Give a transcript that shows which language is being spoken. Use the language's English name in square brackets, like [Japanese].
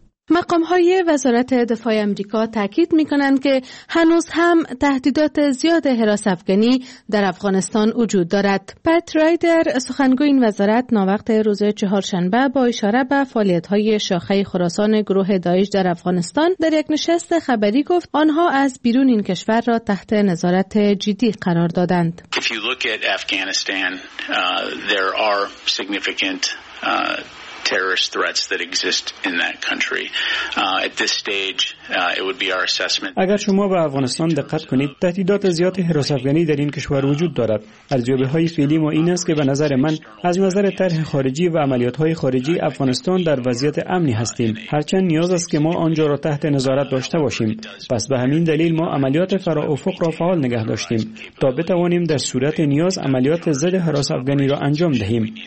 [Persian] مقام های وزارت دفاع آمریکا تاکید می کنند که هنوز هم تهدیدات زیاد هراس افغانی در افغانستان وجود دارد. پت رایدر سخنگوی این وزارت ناوقت روز چهارشنبه با اشاره به فعالیت های شاخه خراسان گروه داعش در افغانستان در یک نشست خبری گفت آنها از بیرون این کشور را تحت نظارت جدی قرار دادند. [English] If you look at Afghanistan, there are significant terrorist threats that exist in that country. At this stage, it would be our assessment. [Persian] اگر شما به افغانستان دقت کنید، تهدیدات زیاد هراس افغانی در این کشور وجود دارد. ارزیابی‌های فعلی ما این است که به نظر من از نظر طرح خارجی و عملیات‌های خارجی افغانستان در وضعیت امنی هستیم. هرچند نیاز است که ما آنجا را تحت نظارت داشته باشیم. پس به همین دلیل ما عملیات فرافق را فعال نگه داشتیم تا بتوانیم در صورت نیاز عملیات ضد هراس افغانی را انجام دهیم.